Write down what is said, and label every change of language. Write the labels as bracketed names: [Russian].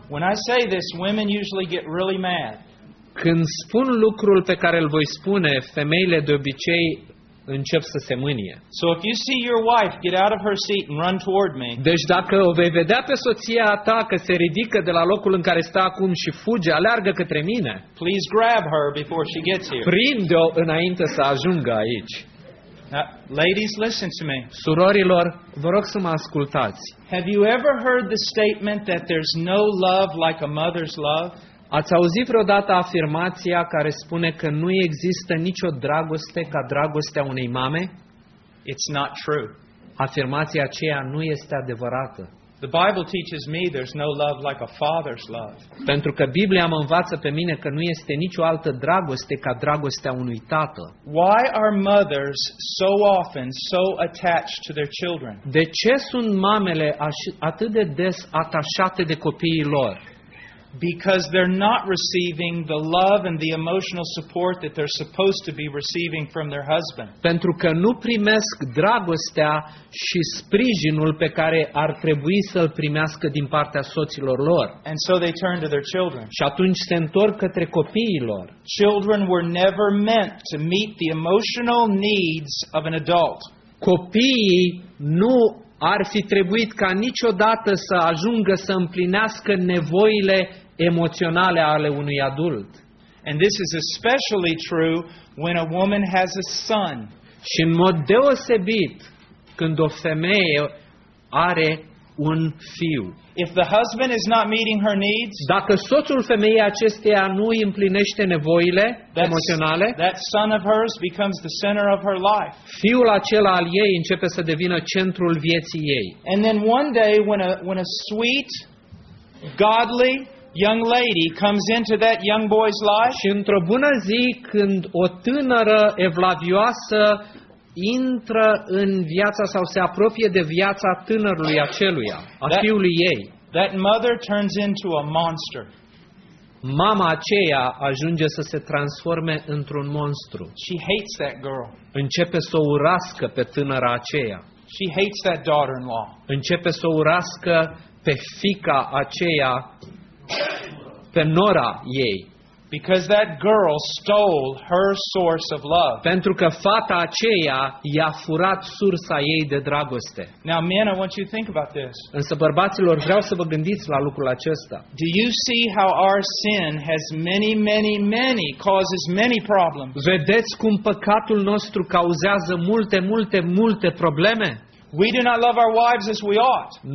[English] when I say this, women usually get really mad. [Romanian] Când spun lucrul pe care îl voi spune, femeile de obicei încep să se mânie. [English] So if you see your wife get out of her seat and run toward me. [Romanian] Deci dacă o vei vedea pe soția ta că se ridică de la locul în care stă acum și fuge, aleargă către mine. [English] Please grab her before she gets here. [Romanian] Prinde-o înainte să ajungă aici. [English] Now, ladies, listen to me. [Romanian] Surorilor, vă rog să mă ascultați. [English] Have you ever heard the statement that there's no love like a mother's love? [Romanian] Ați auzit vreodată afirmația care spune că nu există nicio dragoste ca dragostea unei mame? [English] It's not true. [Romanian] Afirmația aceea nu este adevărată. [English] The Bible teaches me there's no love like a father's love. [Romanian] Pentru că Biblia mă învață pe mine că nu este nicio altă dragoste ca dragostea unui tată. [English] Why are mothers so often so attached to their children? [Romanian] De ce sunt mamele atât de des atașate de copiii lor? [English] Because they're not receiving the love and the emotional support that they're supposed to be receiving from their husband. [Romanian] Pentru că nu primesc dragostea și sprijinul pe care ar trebui să-l primească din partea soților lor. [English] And so they turn to their children. [Romanian] Și atunci se întorc către copiii lor. [English] Children were never meant to meet the emotional needs of an adult. [Romanian] Copiii nu ar fi trebuit ca niciodată să ajungă să împlinească nevoile emoționale ale unui adult. [English] And this is especially true when a woman has a son. [Romanian] Și în mod deosebit când o femeie are un fiu. [English] If the husband is not meeting her needs, [Romanian] dacă soțul femeii acesteia nu îi împlinește nevoile emoționale, [English] that son of hers becomes the center of her life. [Romanian] Fiul acela al ei începe să devină centrul vieții ei. [English] And then one day when a sweet, godly young lady comes into that young boy's life, [Romanian] și într-o bună zi când o tânără evlavioasă intră în viața sau se apropie de viața tânărului aceluia, a fiului ei. [English] That mother turns into a monster. [Romanian] Mama aceea ajunge să se transforme într-un monstru. [English] She hates that girl. [Romanian] Începe să o urască pe tânăra aceea. [English] She hates that daughter-in-law. [Romanian] Începe să o urască pe fiica aceea, pe nora ei. [English] Because that girl stole her source of love. [Romanian] Pentru că fata aceea i-a furat sursa ei de dragoste. [English] Now, men, I want you to think about this. [Romanian] Însă, bărbaților, vreau să vă gândiți la lucrul acesta. [English] Do you see how our sin has many, many, many causes many problems? [Romanian] Vedeți cum păcatul nostru cauzează multe, multe, multe probleme? [English] We do not love our wives as we ought.